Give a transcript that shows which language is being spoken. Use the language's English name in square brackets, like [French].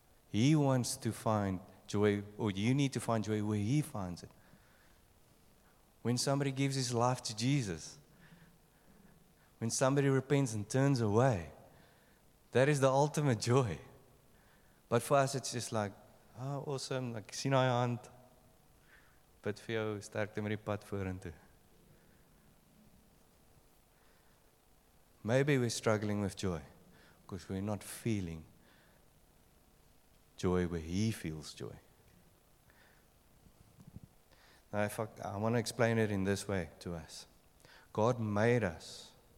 [English] He wants to find joy, or you need to find joy where he finds it. When somebody gives his life to Jesus, when somebody repents and turns away, that is the ultimate joy. But for us, it's just like, oh, awesome, like, [Afrikaans] sien hy hand. Bid vir jou sterkte met die pad vorentoe. [English] Maybe we're struggling with joy because we're not feeling joy where he feels joy. Now, if I want to explain it in this way to us. God made us.